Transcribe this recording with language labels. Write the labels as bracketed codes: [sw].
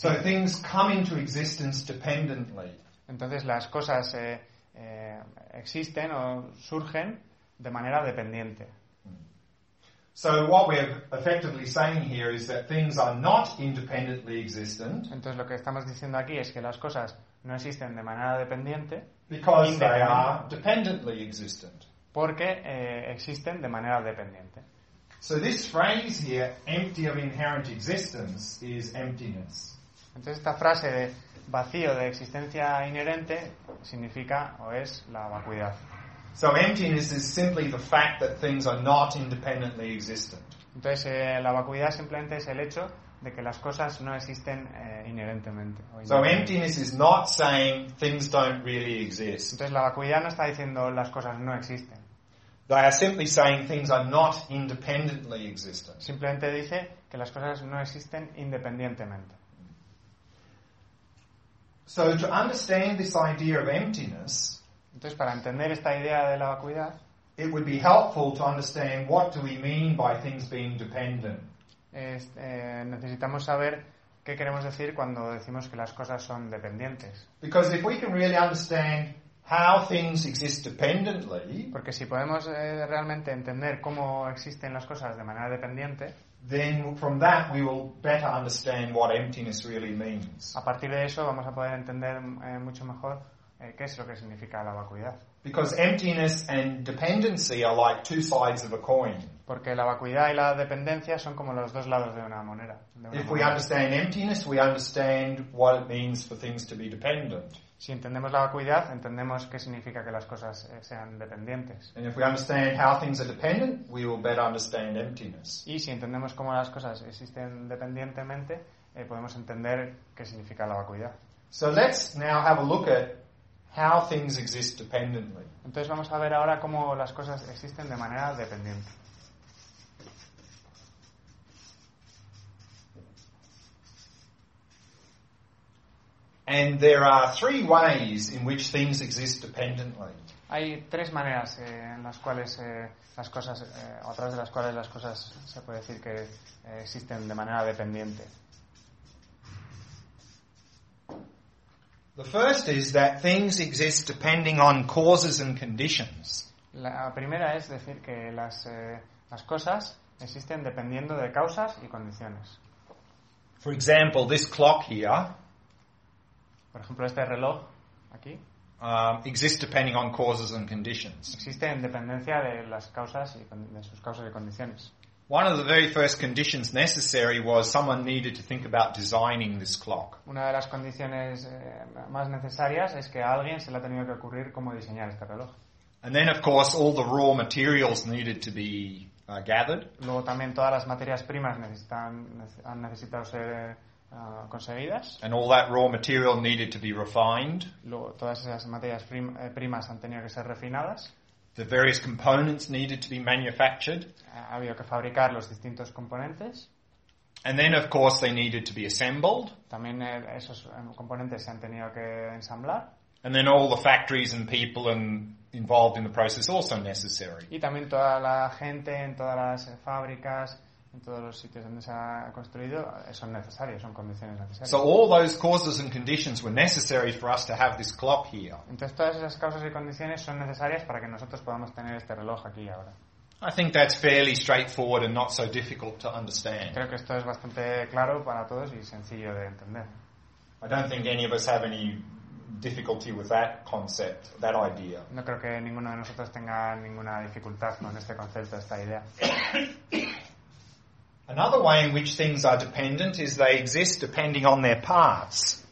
[en] So things come into existence dependently. [es] Entonces las cosas existen o surgen de manera dependiente. [en] So what we're effectively saying here is that things are not independently existent. [es] Entonces lo que estamos diciendo aquí es que las cosas no existen de manera dependiente. [en] Because they are dependently existent. [es] Porque existen de manera dependiente. [en] So this phrase here, empty of inherent existence, is emptiness. [es] Entonces esta frase de vacío de existencia inherente significa o es la vacuidad. [en] So emptiness is simply the fact that things are not independently existent. [es] Entonces la vacuidad simplemente es el hecho de que las cosas no existen inherentemente. [en] So emptiness is not saying things don't really exist. [es] Entonces la vacuidad no está diciendo las cosas no existen. [en] They are simply saying things are not independently existent. [es] Simplemente dice que las cosas no existen independientemente. [en] So to understand this idea of emptiness, [es] entonces para entender esta idea de la vacuidad, [en] it would be helpful to understand what do we mean by things being dependent. [es] Necesitamos saber qué queremos decir cuando decimos que las cosas son dependientes. [en] Because if we can really understand how things exist dependently, [es] porque si podemos realmente entender cómo existen las cosas de manera dependiente, [en] then from that we will better understand what emptiness really means. [es] A partir de eso vamos a poder entender mucho mejor qué es lo que significa la vacuidad. [en] Because emptiness and dependency are like two sides of a coin. [es] Porque la vacuidad y la dependencia son como los dos lados de una moneda. [en] If we understand emptiness, we understand what it means for things to be dependent. [es] Si entendemos la vacuidad, entendemos qué significa que las cosas sean dependientes. [en] And if we understand how things are dependent, we will better understand emptiness. [es] Y si entendemos cómo las cosas existen dependientemente, podemos entender qué significa la vacuidad. [en] So let's now have a look at how things exist dependently. [es] Entonces vamos a ver ahora cómo las cosas existen de manera dependiente. [en] And there are three ways in which things exist dependently. [es] Hay tres maneras en las cuales las cosas, a través de las cuales las cosas se puede decir que existen de manera dependiente. [en] The first is that things exist depending on causes and conditions. [es] La primera es decir que las cosas existen dependiendo de causas y condiciones. [en] For example, this clock here. [es] Por ejemplo, este reloj aquí [en] exists depending on causes and conditions. [es] Existe en dependencia de las causas y de sus causas y condiciones. [en] One of the very first conditions necessary was someone needed to think about designing this clock. [es] Una de las condiciones más necesarias es que a alguien se le ha tenido que ocurrir cómo diseñar este reloj. [en] And then of course all the raw materials needed to be gathered. [es] Luego también todas las materias primas han necesitado ser conseguidas. [en] And all that raw material needed to be refined. [es] Luego, todas esas materias primas han tenido que ser refinadas. [en] The various components needed to be manufactured. [es] Ha habido que fabricar los distintos componentes. [en] And then, of course, they needed to be assembled. [es] También esos componentes se han tenido que ensamblar. [en] And then all the factories and people and involved in the process also necessary. [es] Y también toda la gente en todas las fábricas en todos los sitios donde se ha construido, son necesarios, son condiciones necesarias. [en] So all those causes and conditions were necessary for us to have this clock here. [es] Entonces todas esas causas y condiciones son necesarias para que nosotros podamos tener este reloj aquí ahora. [en] I think that's fairly straightforward and not so difficult to understand. [es] Creo que esto es bastante claro para todos y sencillo de entender. [en] I don't think any of us have any difficulty with that concept, that idea. [es] No creo que ninguno de nosotros tenga ninguna dificultad con este concepto, esta idea. [en] Another way in which things are dependent is they exist depending on their parts.